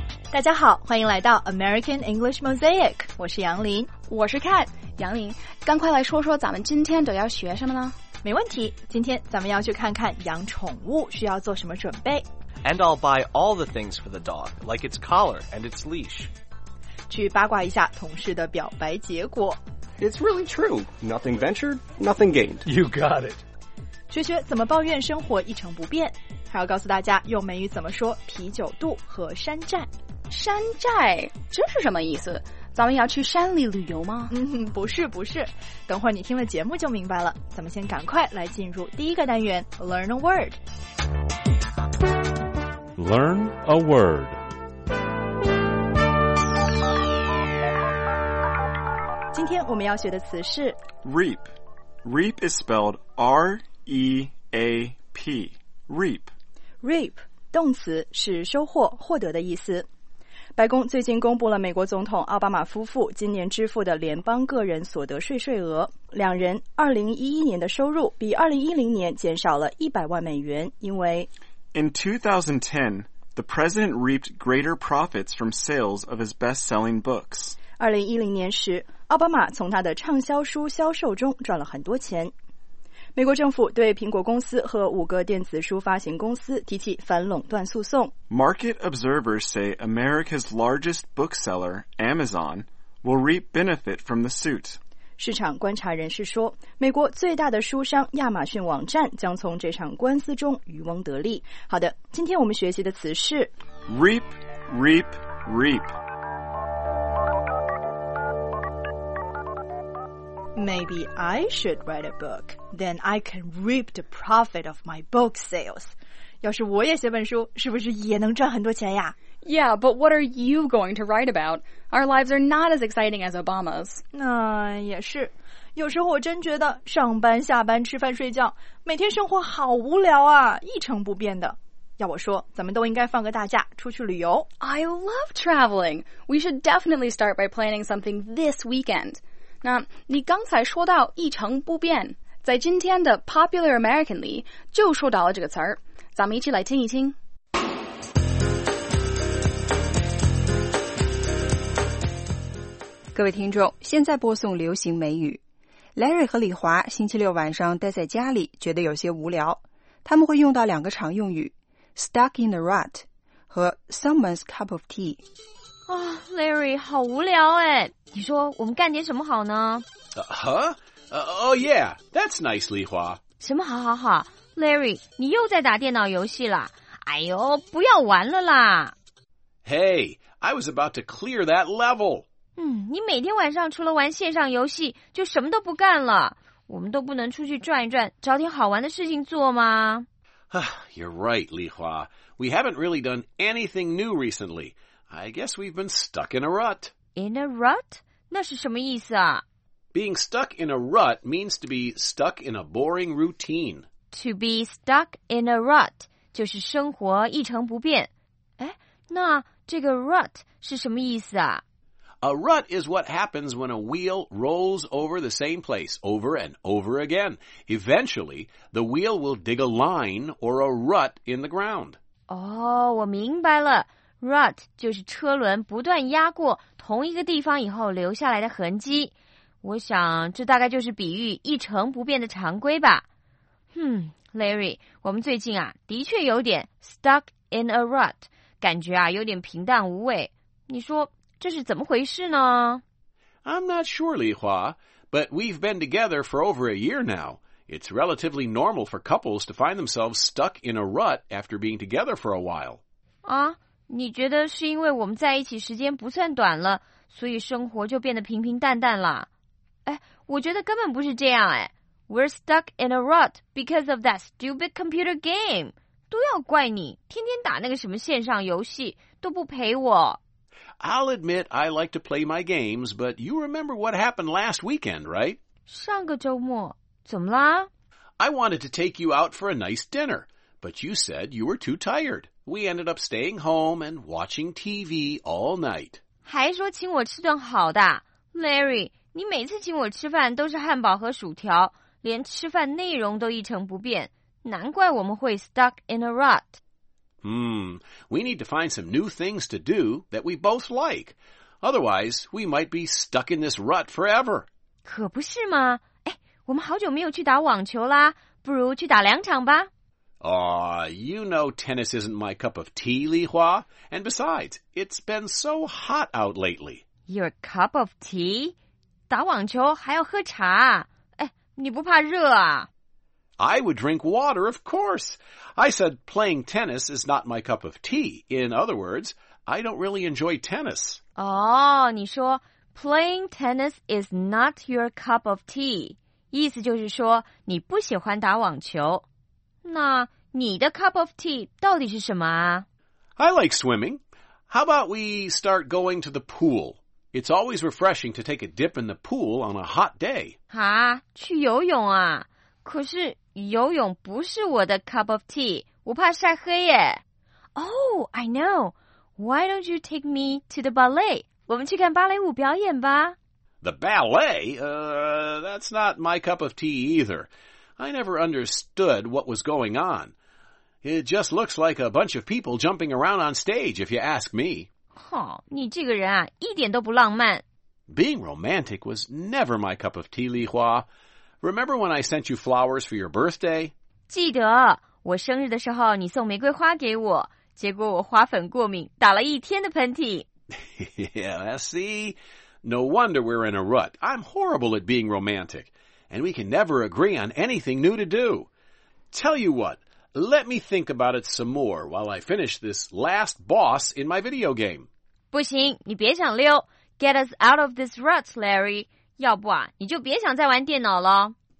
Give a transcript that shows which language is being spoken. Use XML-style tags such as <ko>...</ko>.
<zh>大家好，欢迎来到 American English Mosaic， 我是杨林。我是 Kat。杨林，赶快来说说咱们今天都要学什么呢？没问题，今天咱们要去看看养宠物需要做什么准备。</zh> <en>And I'll buy all the things for the dog, like its collar and its leash.</en> <zh>去八卦一下同事的表白结果。</zh> <en>It's really true, nothing ventured, nothing gained. You got it.</en> <zh>学学怎么抱怨生活一成不变，还要告诉大家用美语怎么说啤酒肚和山寨。山寨，这是什么意思？咱们要去山里旅游吗？不是不是，等会儿你听了节目就明白了。咱们先赶快来进入第一个单元</zh> <en>Learn a word。 Learn a word。</en> <zh>今天我们要学的词是</zh> <en>Reap。 Reap is spelled R-E-A-P。 Reap。</en> <zh>Reap 动词，是收获获得的意思。白宫最近公布了美国总统奥巴马夫妇今年支付的联邦个人所得税税额，两人2011年的收入比2010年减少了100万美元。因为</zh> <en>In 2010, the president reaped greater profits from sales of his best-selling books.</en> <zh>2010年时，奥巴马从他的畅销书销售中赚了很多钱。美国政府对苹果公司和五个电子书发行公司提起反垄断诉讼。</zh> <en>Market observers say America's largest bookseller, Amazon, will reap benefit from the suit.</en> <zh>市场观察人士说，美国最大的书商亚马逊网站将从这场官司中渔翁得利。好的，今天我们学习的词是</zh> <en>reap, reap, reap。 Maybe I should write a book. Then I can reap the profit of my book sales.</en> <zh>要是我也写本书，是不是也能赚很多钱呀？</zh> <en>Yeah, but what are you going to write about? Our lives are not as exciting as Obama's.</en> <zh>那也是。有时候我真觉得上班、下班、吃饭、睡觉，每天生活好无聊啊，一成不变的。要我说，咱们都应该放个大假，出去旅游。</zh> <en>I love traveling. We should definitely start by planning something this weekend.</en> <zh>那你刚才说到一成不变，在今天的 Popular American 里就说到了这个词儿，咱们一起来听一听。各位听众，现在播送流行美语。Larry 和李华星期六晚上待在家里觉得有些无聊，他们会用到两个常用语</zh> <en>Stuck in a rut</en> <zh>和</zh> <en>Someone's cup of tea。</en> <zh>Oh, Larry, 好无聊哎！你说我们干点什么好呢？</zh> <en>Oh yeah, that's nice, 李华。</en> <zh>什么好好好 ？Larry, 你又在打电脑游戏了？哎呦，不要玩了啦</zh> <en>！Hey, I was about to clear that level.</en> <zh>你每天晚上除了玩线上游戏，就什么都不干了。我们都不能出去转一转，找点好玩的事情做吗？</zh> <en>You're right, 李华。 We haven't really done anything new recently. I guess we've been stuck in a rut. In a rut?</en> <zh>那是什么意思啊?</zh> <en>Being stuck in a rut means to be stuck in a boring routine. To be stuck in a rut,</en> <zh>就是生活一成不变。哎，那这个 rut 是什么意思啊?</zh> <en>A rut is what happens when a wheel rolls over the same place over and over again. Eventually, the wheel will dig a line or a rut in the ground.</en> <zh>哦，我明白了。 Rut 就是车轮不断压过同一个地方以后留下来的痕迹，我想这大概就是比喻一成不变的常规吧。 Larry, 我们最近啊的确有点</zh> <en>stuck in a rut,</en> <zh>感觉啊有点平淡无味，你说这是怎么回事呢？</zh> <en>I'm not sure, 李华, but we've been together for over a year now. It's relatively normal for couples to find themselves stuck in a rut after being together for a while.</en> <zh>啊？你觉得是因为我们在一起时间不算短了，所以生活就变得平平淡淡了？哎，我觉得根本不是这样哎。</zh> <en>We're stuck in a rut because of that stupid computer game.</en> <zh>都要怪你，天天打那个什么线上游戏，都不陪我。</zh> <en>I'll admit I like to play my games, but you remember what happened last weekend, right?</en> <zh>上个周末，怎么啦？</zh> <en>I wanted to take you out for a nice dinner, but you said you were too tired. We ended up staying home and watching TV all night.</en> <zh>还说请我吃顿好的。 Larry, 你每次请我吃饭都是汉堡和薯条，连吃饭内容都一成不变。难怪我们会</zh> <en>stuck in a rut. We need to find some new things to do that we both like. Otherwise, we might be stuck in this rut forever.</en> <zh>可不是吗？哎，我们好久没有去打网球啦，不如去打两场吧。</zh> <en>Aw, you know tennis isn't my cup of tea, Li Hua. And besides, it's been so hot out lately. Your cup of tea?</en> <zh>打网球还要喝茶？哎，你不怕热啊？</zh> <en>I would drink water, of course. I said playing tennis is not my cup of tea. In other words, I don't really enjoy tennis. Oh,</en> <zh>你说</zh> <en>playing tennis is not your cup of tea.</en> <zh>意思就是说你不喜欢打网球。那你的</zh> <en>cup of tea</en> <zh>到底是什么啊？</zh> <en>I like swimming. How about we start going to the pool? It's always refreshing to take a dip in the pool on a hot day.</en> <zh>啊，去游泳啊？可是游泳不是我的</zh> <en>cup of tea,</en> <zh>我怕晒黑耶。</zh> <en>Oh, I know. Why don't you take me to the ballet?</en> <zh>我们去看芭蕾舞表演吧。</zh> <en>The ballet? That's not my cup of tea either. I never understood what was going on. It just looks like a bunch of people jumping around on stage, if you ask me.</en> <zh>哼，你这个人啊，一点都不浪漫。</zh> <en>Being romantic was never my cup of tea, Li Hua. Remember when I sent you flowers for your birthday?</en> <zh>记得，我生日的时候你送玫瑰花给我，结果我花粉过敏，打了一天的喷嚏。</zh> <en>Yeah, see? No wonder we're in a rut. I'm horrible at being romantic, and we can never agree on anything new to do. Tell you what, let me think about it some more while I finish this last boss in my video game.</en> <zh>不行，你别想溜。</zh> <en>Get us out of this rut, Larry.</en> <zh>要不啊，你就别想再玩电脑了。</zh>